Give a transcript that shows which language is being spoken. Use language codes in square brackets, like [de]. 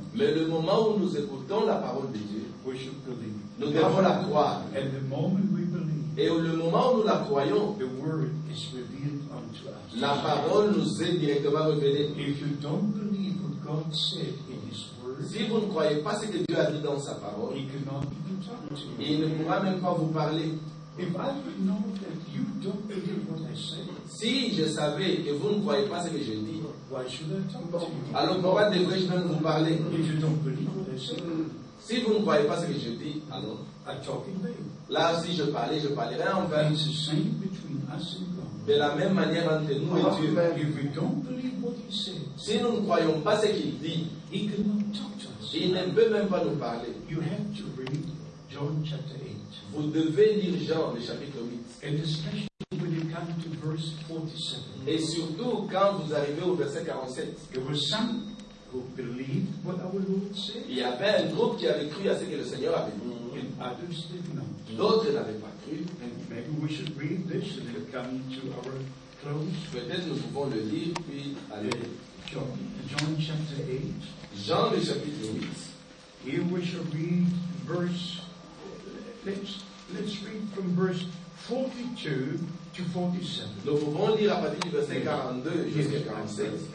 [fr] Mais le moment où nous écoutons la parole de Dieu, [en] we should believe. [fr] Nous devons la croire. [en] And the moment we believe, [fr] et le moment où nous la croyons, [en] the word is revealed unto us. [fr] La parole nous est directement révélée. [en] If you don't believe what God said in His word, [fr] si vous ne croyez pas ce que Dieu a dit dans sa parole, [en] He cannot even talk to you. [fr] Il ne pourra même pas vous parler. [en] If I would know that you don't believe what I say, [fr] si je savais que vous ne croyez pas ce que je dis, [en] why should I talk to you? [fr] Alors pourquoi devrais-je même vous parler? [en] If you don't believe what I say, [fr] si vous ne croyez pas ce que je dis, alors [en] I talk in vain. [fr] Là, si je parlais, je parlerai en vain. [en] It's the same between us and God. [fr] De la même manière entre nous et Dieu. [en] If we don't believe what He said, [fr] si nous ne croyons pas ce qu'il dit, [en] He cannot talk to us. [fr] Il ne peut même pas nous parler. [en] You have to read John chapter 8. [fr] Vous devez lire Jean, le chapitre 8. [en] And especially when you come to verse 47. [fr] Et surtout quand vous arrivez au verset 47. [en] There were some who believed what our Lord said. [fr] Il y avait un groupe qui avait cru à ce que le Seigneur avait dit. [en] And others did not. [fr] D'autres n'avaient pas cru. [en] And maybe we should read this and then come to our close. [fr] Peut-être nous pouvons le lire puis aller. [en] John chapter 8. [fr] Jean, le chapitre 8. [en] Here we shall read verse. Let's read from verse 42 to 47. [fr] Nous pouvons lire à partir du verset 42 jusqu'à 47.